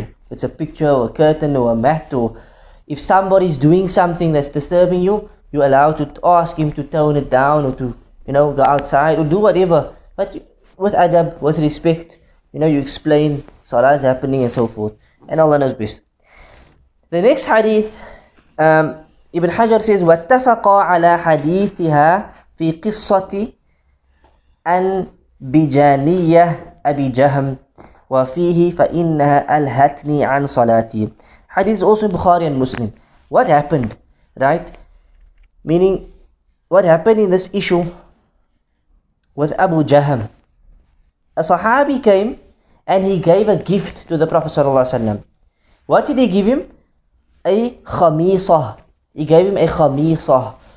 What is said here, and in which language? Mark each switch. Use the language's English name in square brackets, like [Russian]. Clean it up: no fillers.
[English] If it's a picture or a curtain or a mat, or if somebody is doing something that's disturbing you, you allow to ask him to tone it down or to, you know, go outside or do whatever. But you, with adab, with respect, you know, you explain salah is happening and so forth. And Allah knows best. The next hadith, Ibn Hajar says, [Arabic] وَاتَّفَقَ عَلَى حَدِيثِهَا فِي قِصَّةِ أن بجانية أبي جهم وفيه فإنها ألهتني عن صلاتي. [English] Hadith also in Bukhari and Muslim. What happened, right? Meaning, what happened in this issue with Abu Jahm? A Sahabi came and he gave a gift to the Prophet صلى الله عليه وسلم. What did he give him? A khamisa. He gave him a khamisa.